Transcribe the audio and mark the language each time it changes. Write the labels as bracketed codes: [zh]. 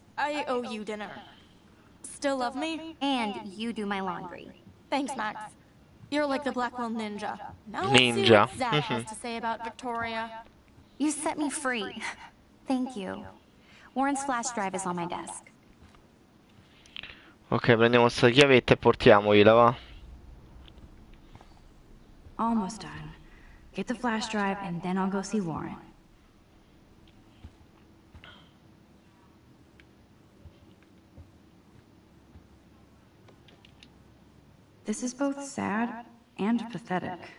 [en] I owe you dinner. Still love me? And you do my laundry. Thanks, Max. You're like the Blackwell Ninja. Now Ninja. Let's see what Zach has to say about Victoria. You set me free. Thank you. Warren's flash drive is on my desk. [it] Ok, prendiamo questa chiavetta e portiamogliela, va? [en] Almost done. Get the flash drive and then I'll go see Warren. This is both sad and pathetic.